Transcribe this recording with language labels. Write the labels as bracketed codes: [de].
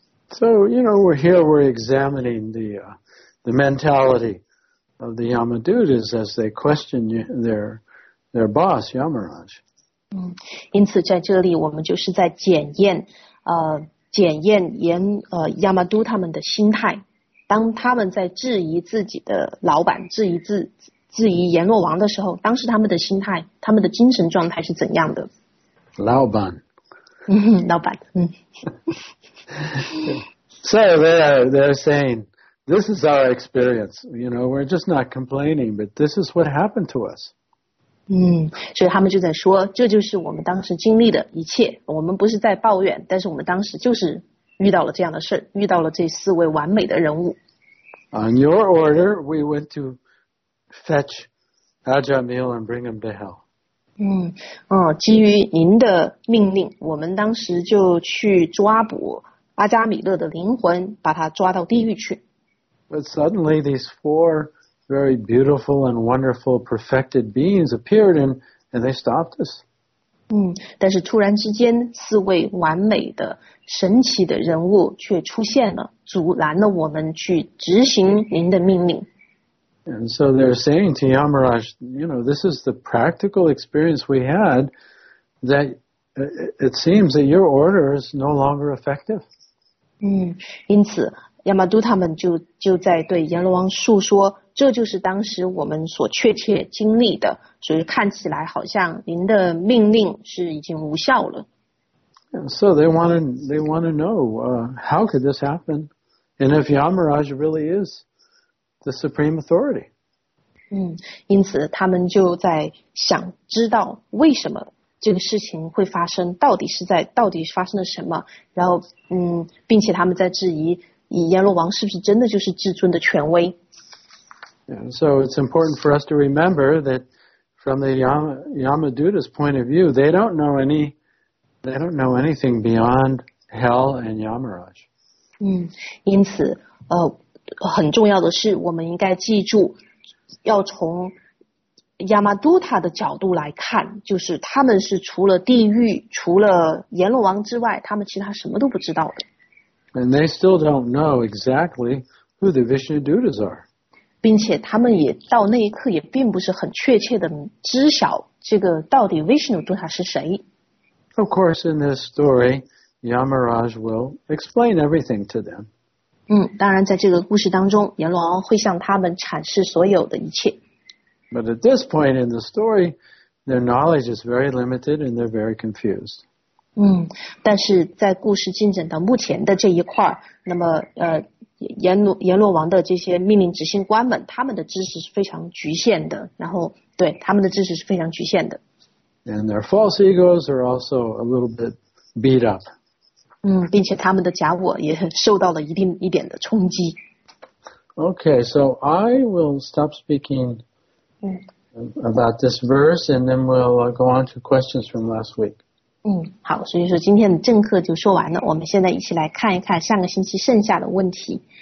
[en] So, you know, we're here, we're examining the mentality of the Yamadutas as they question their boss, Yamaraj. [zh] 因此在这里我们就是在检验Yamadu 他们的心态。当他们在质疑自己的老板、质疑阎罗王的时候，当时他们的心态、他们的精神状态是怎样的？老板，老板。 [en] So they're saying, "This is our experience. You know, we're just not complaining, but this is what happened to us." [zh] 所以他们就在说，这就是我们当时经历的一切。我们不是在抱怨，但是我们当时就是遇到了这样的事，遇到了这四位完美的人物。 [en] On your order, we went to fetch Ajamil and bring him to hell. [zh] 基于您的命令，我们当时就去抓捕阿加米勒的灵魂，把他抓到地狱去。 [en] But suddenly these four very beautiful and wonderful perfected beings appeared and they stopped us. [zh] 但是突然之间四位完美的神奇的人物却出现了，阻拦了我们去执行您的命令。 [en] And so they're saying to Yamaraj, you know, this is the practical experience we had, that it seems that your order is no longer effective. [zh] 因此亚玛都他们就在对阎罗王述说，这就是当时我们所确切经历的，所以看起来好像您的命令是已经无效了。 [en] So they want to know, how could this happen? And if Yamaraj really is the supreme authority. [zh] 因此他们就在想知道为什么这个事情会发生，到底发生了什么，然后并且他们在质疑以阎罗王是不是真的就是至尊的权威。 [en] So it's important for us to remember that from the Yamaduta's point of view, they don't know anything beyond hell and Yamaraj. [zh] 因此很重要的是我们应该记住，要从亚玛都塔的角度来看，就是他们是除了地狱、除了阎罗王之外，他们其他什么都不知道的。 [en] And they still don't know exactly who the Vishnu Dutas are. [zh] 并且他们也到那一刻也并不是很确切的知晓这个到底 Vishnu Duta 是谁。 [en] Of course, in this story, Yamaraj will explain everything to them. [zh] 当然在这个故事当中，阎罗王会向他们阐释所有的一切。 [en] But at this point in the story, their knowledge is very limited and they're very confused. [zh] 但是在故事进展到目前的这一块，那么阎罗王的这些命令执行官们，他们的知识是非常局限的，然后对他们的知识是非常局限的。 [en] And their false egos are also a little bit beat up. [zh] 并且他们的假我也受到了一点的冲击。 [en] Okay, so I will stop speaking about this verse, and then we'll go on to questions from last week. [zh] 好，所以说今天的正课就说完了，我们现在一起来看一看上个星期剩下的问题。